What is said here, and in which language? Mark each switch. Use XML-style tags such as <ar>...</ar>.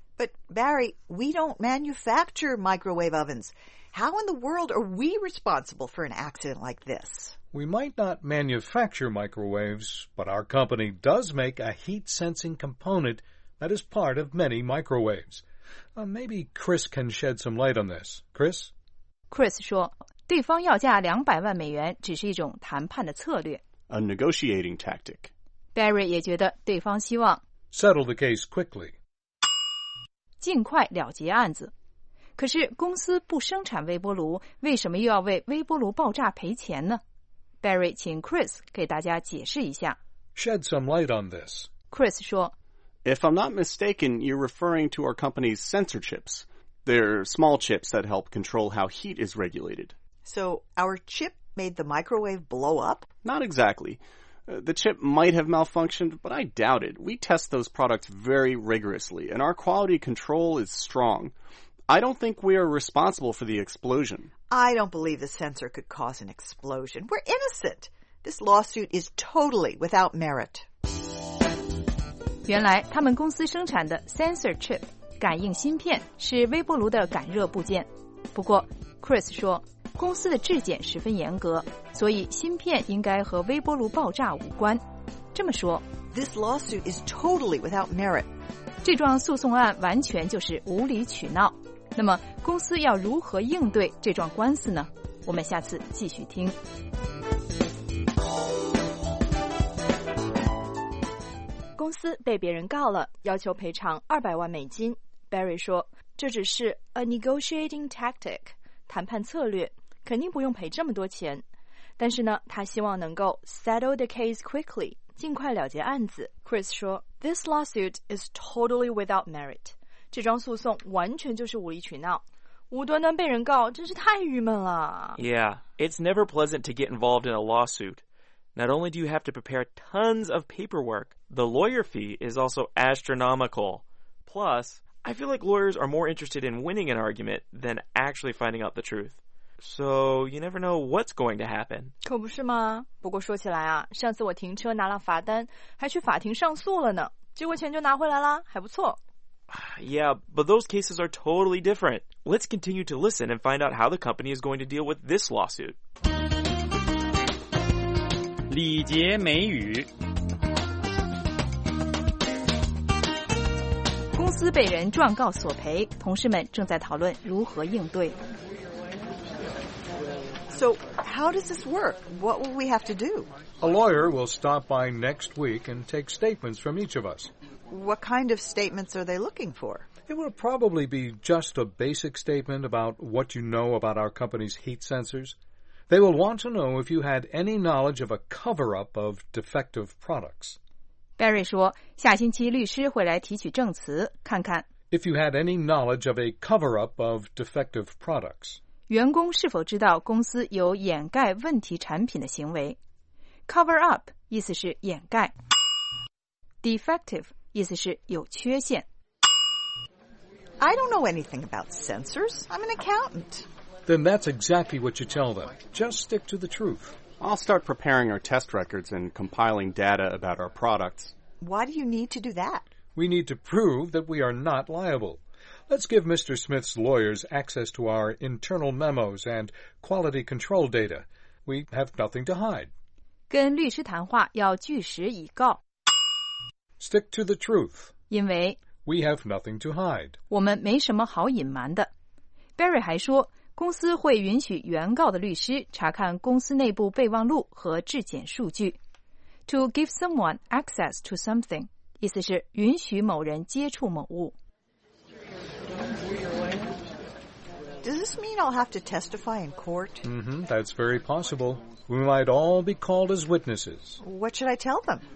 <en>But, Barry, we don't manufacture microwave ovens. How in the world are we responsible for an accident like this? We might not manufacture microwaves, but our company does make a heat-sensing component that is part of many microwaves. Maybe Chris can shed some light on this. Chris?</en> <zh>Chris 说对方要价$2,000,000只是一种谈判的策略。</zh> <en>A negotiating tactic.</en> <zh>Barry 也觉得对方希望</zh> <en>settle the case quickly.</en> <zh>尽快了结案子。可是公司不生产微波炉，为什么又要为微波炉爆炸赔钱呢？ Barry 请 Chris 给大家解释一下。</zh> <en>Shed some light on this.</en> <zh>Chris 说，</zh> <en>If I'm not mistaken, you're referring to our company's sensor chips. They're small chips that help control how heat is regulated. So our chip made the microwave blow up? Not exactly. The chip might have malfunctioned, but I doubt it. We test those products very rigorously, and our quality control is strong. I don't think we are responsible for the explosion. I don't believe the sensor could cause an explosion. We're innocent. This lawsuit is totally without merit.</en> <zh>原来他们公司生产的 sensor chip 感应芯片是微波炉的感热部件。不过 Chris 说公司的质检十分严格，所以芯片应该和微波炉爆炸无关。这么说</zh> <en>This lawsuit is totally without merit.</en> <zh>这桩诉讼案完全就是无理取闹。那么公司要如何应对这桩官司呢？我们下次继续听。公司被别人告了，要求赔偿$2,000,000。 Barry 说，这只是</zh> <en>a negotiating tactic，</en> <zh>谈判策略，肯定不用赔这么多钱。但是呢，他希望能够</zh> <en>settle the case quickly，</en> <zh>尽快了结案子。 Chris 说 ，</zh> <en>This lawsuit is totally without merit，</en> <zh>这桩诉讼完全就是无理取闹。无端端被人告，真是太郁闷了。</zh> <en>Yeah, it's never pleasant to get involved in a lawsuit. Not only do you have to prepare tons of paperwork, the lawyer fee is also astronomical. Plus, I feel like lawyers are more interested in winning an argument than actually finding out the truth. So, you never know what's going to happen.</en> <zh>可不是吗？不过说起来啊，上次我停车拿了罚单，还去法庭上诉了呢，结果钱就拿回来了，还不错。</zh> <en>Yeah, but those cases are totally different. Let's continue to listen and find out how the company is going to deal with this lawsuit.</en> <zh>礼节美语。公司被人状告索赔，同事们正在讨论如何应对。</zh> <en>So, how does this work? What will we have to do? A lawyer will stop by next week and take statements from each of us. What kind of statements are they looking for? It will probably be just a basic statement about what you know about our company's heat sensors. They will want to know if you had any knowledge of a cover-up of defective products.</en> <zh>Barry 说，下星期律师会来提取证词，看看。</zh> <en>If you had any knowledge of a cover-up of defective products.</en> <zh>员工是否知道公司有掩盖问题产品的行为 ？Cover-up 意思是掩盖 ，defective。意思是有缺陷。</zh> <en>I don't know anything about sensors. I'm an accountant. Then that's exactly what you tell them. Just stick to the truth. I'll start preparing our test records and compiling data about our products. Why do you need to do that? We need to prove that we are not liable. Let's give Mr. Smith's lawyers access to our internal memos and quality control data. We have nothing to hide.</en> <zh>跟律师谈话要据实以告。</zh> <en>Stick to the truth.</en> <zh>因为</zh> <en>we have nothing to hide.</en> <zh>我们没什么好隐瞒的。 Barry 还说，公司会允许原告的律师查看公司内部备忘录和质检数据。</zh> <en>To give someone access to something</en> <zh>意思是允许某人接触某物。</zh> <en>Does this mean I'll have to testify in court? That's very possible. We might all be called as witnesses. What should I tell them?</en>